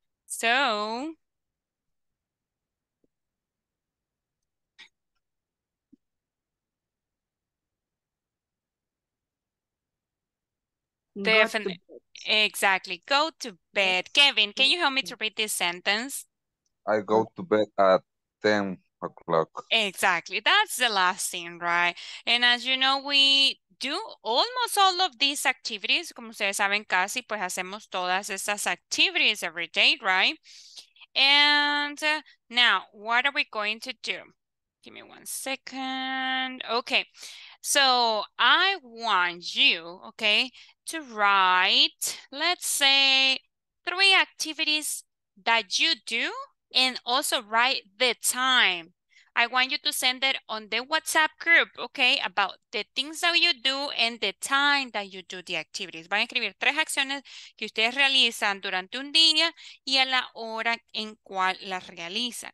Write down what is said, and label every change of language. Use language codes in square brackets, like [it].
[en] So, definitely. Exactly. Go to bed. Kevin, can you help me to read this sentence? I go to bed at 10 o'clock. Exactly. That's the last thing, right? And as you know, we do almost all of these activities. [es] Como ustedes saben, casi, pues hacemos todas estas [en] activities every day, right? And now, what are we going to do? Give me 1 second. Okay. So I want you, okay, to write, let's say, 3 activities that you do and also write the time. I want you to send it on the WhatsApp group, okay, about the things that you do and the time that you do the activities. [es] Van a escribir 3 acciones que ustedes realizan durante un día y a la hora en cual las realizan.